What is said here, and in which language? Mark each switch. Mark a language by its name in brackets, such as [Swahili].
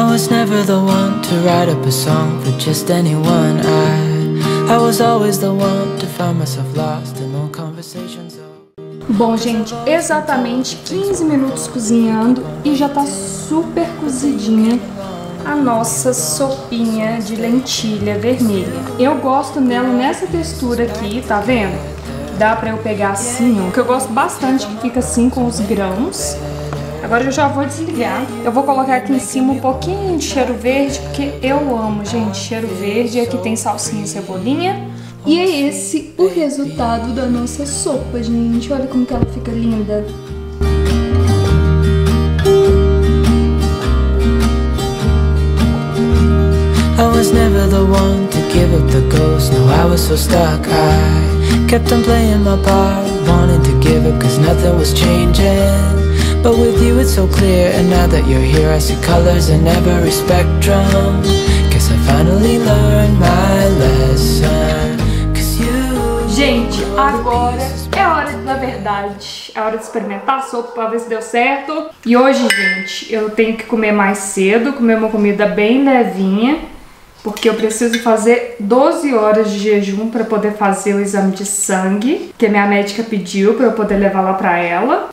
[English] never the one to write up a song for just anyone. I was always the one to find myself lost in long conversations. [Portuguese] Bom, gente, exatamente 15 minutos cozinhando e já tá super cozidinha a nossa sopinha de lentilha vermelha. Eu gosto nela nessa textura aqui, tá vendo? Dá pra eu pegar assim, ó, que eu gosto bastante que fica assim com os grãos. Agora eu já vou desligar. Eu vou colocar aqui em cima um pouquinho de cheiro verde, porque eu amo, gente, cheiro verde. Aqui tem salsinha e cebolinha. E é esse o resultado da nossa sopa, gente. Olha como que ela fica linda. [English] I was never the one to give up the ghost. No, I was so stuck. I kept on playing my part, wanting to give up cause nothing was changing. But with you it's so clear, and now that you're here I see colors in every spectrum. Cause I finally learned my lesson. [Portuguese] Gente, agora é hora da verdade. É hora de experimentar a sopa pra ver se deu certo. E hoje, gente, eu tenho que comer mais cedo, comer uma comida bem levinha, porque eu preciso fazer 12 horas de jejum pra poder fazer o exame de sangue, que a minha médica pediu pra eu poder levar lá pra ela.